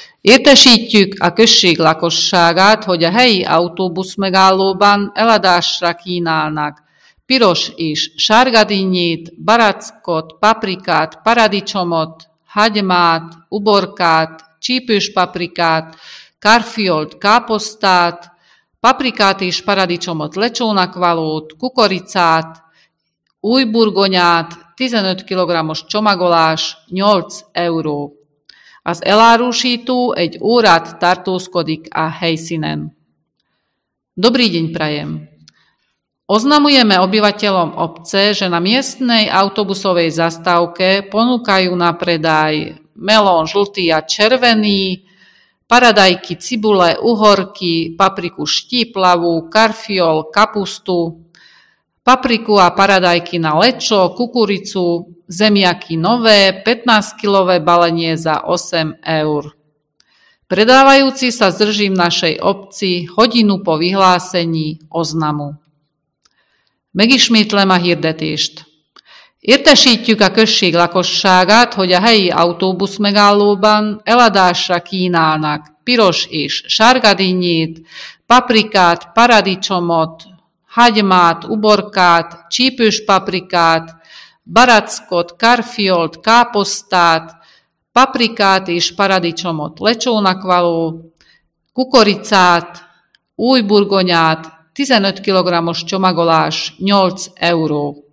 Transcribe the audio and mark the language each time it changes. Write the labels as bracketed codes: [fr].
[hu] Értesítjük a község lakosságát, hogy a helyi autóbusz megállóban eladásra kínálnak piros és sárga dinnyét, barackot, paprikát, paradicsomot, hagymát, uborkát, csípős paprikát, karfiolt káposztát, paprikát és paradicsomot lecsónak valót, kukoricát, új burgonyát, 15 kg-os csomagolás, 8 euró. Az elárusító egy órát tartózkodik a helyszínen. [sk] Dobrý deň prajem. Oznamujeme obyvateľom obce, že na miestnej autobusovej zastávke ponúkajú na predaj melón žltý a červený, paradajky, cibule, uhorky, papriku štíplavú, karfiol, kapustu, papriku a paradajky na lečo, kukuricu, zemiaky nové, 15-kilové balenie za 8 eur. Predávajúci sa zdrží v našej obci hodinu po vyhlásení oznamu. [hu] Megismétlem a hirdetést. Értesítjük a község lakosságát, hogy a helyi autóbusz megállóban eladásra kínálnak piros és sárga dinnyét, paprikát, paradicsomot, hagymát, uborkát, csípős paprikát, barackot, karfiolt, káposztát, paprikát és paradicsomot lecsónak való, kukoricát, új burgonyát, 15 kg-os csomagolás, 8 euró.